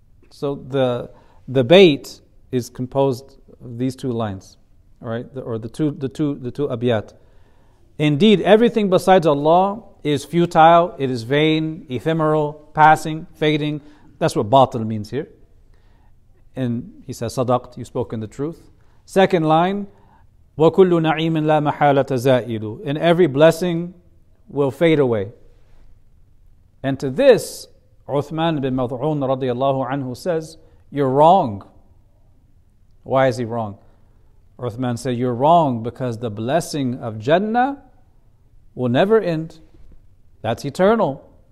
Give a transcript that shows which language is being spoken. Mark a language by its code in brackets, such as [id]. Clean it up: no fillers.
[en] So the bait is composed of these two lines, all right? The two abiyat. Indeed, everything besides Allah is futile, it is vain, ephemeral, passing, fading. That's what batil means here. And he says, sadaqt, you've spoken the truth. Second line, [ar] وَكُلُّ نَعِيمٍ لَا مَحَالَةَ زَائِلُ. [en] And every blessing will fade away. And to this, Uthman ibn Mad'un radiallahu anhu says, you're wrong. Why is he wrong? Uthman said, you're wrong because the blessing of Jannah will never end. That's eternal.